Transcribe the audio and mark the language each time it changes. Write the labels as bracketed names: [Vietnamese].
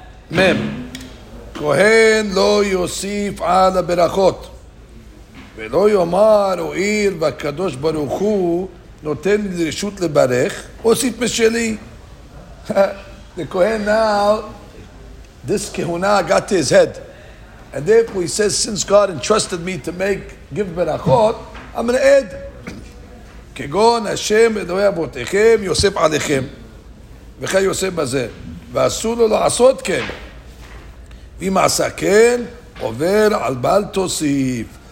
[Hebrew] מם. כהן לא יוסיף על הברכות. ולא יאמר, הואיל והקדוש ברוך הוא, נותן לי רשות לברך, אוסיף משלי. [English] The Kohen now, this Kehuna got to his head. And therefore he says, since God entrusted me to give berachot, I'm going to add. [Hebrew] כגון השם אלוהי אבותיכם יוסף עליכם. וכן יוסף בזה. ואסור לו לעשות כן. ואם עשה כן, עובר על בל תוסיף.